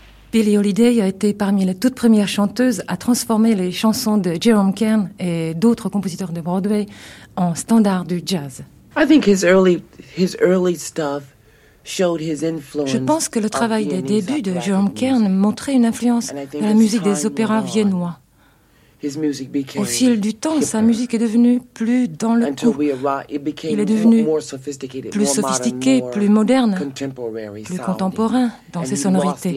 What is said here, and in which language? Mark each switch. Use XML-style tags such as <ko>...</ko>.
<fr>Billie Holiday a été parmi les toutes premières chanteuses à transformer les chansons de Jerome Kern et d'autres compositeurs de Broadway en standards du jazz.</fr> <en>I think his early stuff showed his influence.</en> <fr>Je pense que le travail des débuts de Jerome Kern montrait une influence de la musique des opéras viennois. Au fil du temps, sa musique est devenue plus dans le coup. Il est devenu plus sophistiqué, plus moderne, plus contemporain dans ses sonorités.</fr>